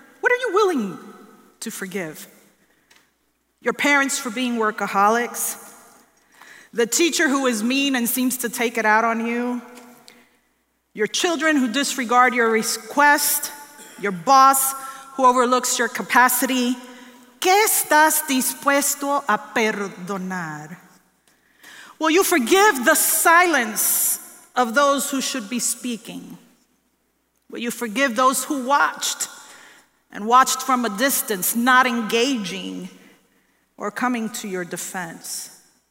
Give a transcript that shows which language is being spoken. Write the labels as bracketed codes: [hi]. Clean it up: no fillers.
[en] What are you willing to forgive? Your parents for being workaholics, the teacher who is mean and seems to take it out on you, your children who disregard your request, your boss who overlooks your capacity. [es] ¿Qué estás dispuesto a perdonar? [en] Will you forgive the silence of those who should be speaking? Will you forgive those who watched and watched from a distance, not engaging or coming to your defense?